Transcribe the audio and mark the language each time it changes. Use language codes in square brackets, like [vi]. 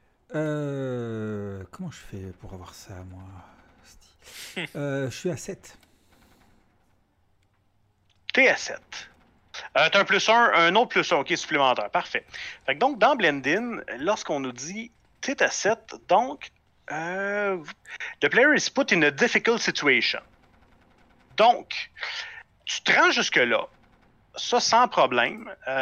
[fr] Comment je fais pour avoir ça, moi? Je suis à 7. T'es à 7. T'as un plus 1, un autre plus 1. OK, supplémentaire. Parfait. Fait que donc, dans blend-in, lorsqu'on nous dit t'es à 7, donc... [en] The player is put in a difficult situation. [fr] Donc, tu te rends jusque-là. Ça, sans problème.